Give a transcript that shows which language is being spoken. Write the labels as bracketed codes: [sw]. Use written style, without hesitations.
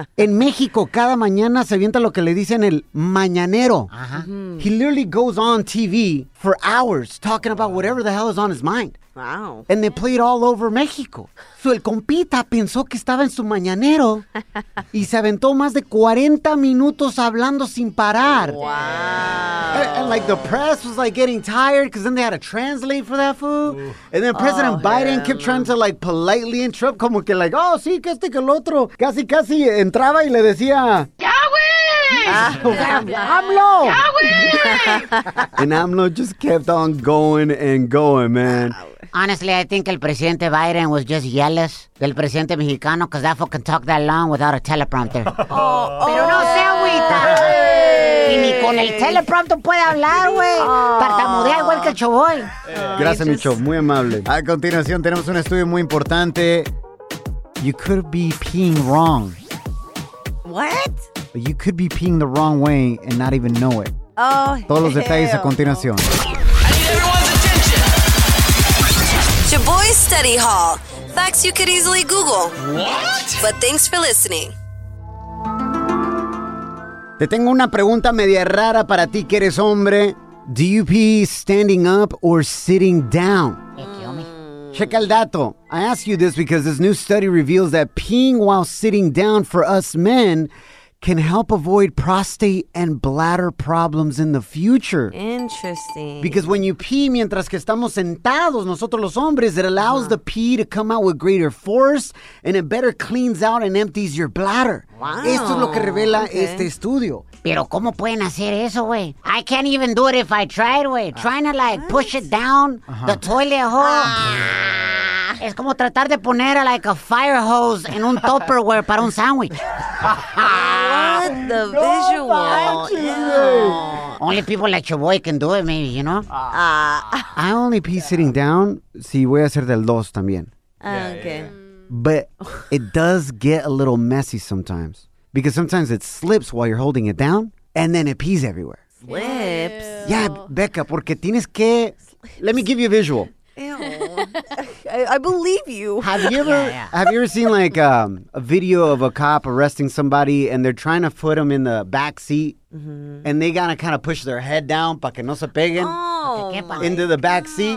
[es] En México, cada mañana se avienta lo que le dicen el mañanero. Uh-huh. [en] He literally goes on TV for hours talking about whatever the hell is on his mind. Wow. And they play it all over México. [es] So el compita pensó que estaba en su mañanero y se aventó más de 40 minutos hablando sin parar. [en] Wow. And like the press was like getting tired because then they had to translate for that fool. And then President Biden kept trying to like politely interrupt, [es] como que [en] like, oh, [es] sí, que este que el otro. Casi, casi entraba y le decía, ¡ya, güey! AMLO! [en] And AMLO just kept on going and going, man. Honestly, I think [es] el presidente [en] Biden was just jealous [es] del presidente mexicano [en] because that fool can talk that long without a teleprompter. [es] Pero no se agüita. Y ni con el teleprompter puede hablar, güey. Tartamudea igual que el Choboy. Gracias, Micho. Muy amable. A continuación, tenemos un estudio muy importante. [en] You could be peeing wrong. What? But you could be peeing the wrong way and not even know it. Oh, [es] todos los detalles a continuación. [en] I need everyone's attention. Shaboy's Study Hall. Facts you could easily Google. What? But thanks for listening. [es] Te tengo una pregunta media rara para ti que eres hombre. [en] Do you pee standing up or sitting down? Check [es] el dato. [en] I ask you this because this new study reveals that peeing while sitting down for us men can help avoid prostate and bladder problems in the future. Interesting. Because when you pee [es] mientras que estamos sentados, nosotros los hombres, [en] it allows the pee to come out with greater force and it better cleans out and empties your bladder. Wow. [es] Esto es lo que revela este estudio. Pero ¿cómo pueden hacer eso, güey? [en] I can't even do it if I tried, güey. Trying to, like, what? Push it down the toilet hole. [es] Es como tratar de poner a, [en] like, a fire hose [es] en un Tupperware para un sándwich. [en] What the visual. Only people like Chaboy can do it, maybe, you know? I only pee sitting down [es] si voy a hacer del dos también. [en] But it does get a little messy sometimes. Because sometimes it slips while you're holding it down, and then it pees everywhere. Slips? Yeah, Becca, [es] porque tienes que... [en] Let me give you a visual. Ew. I believe you. Have you ever have you ever seen like a video of a cop arresting somebody and they're trying to put them in the back seat and they gotta kind of push their head down [es] para que no se peguen [en] into the back seat?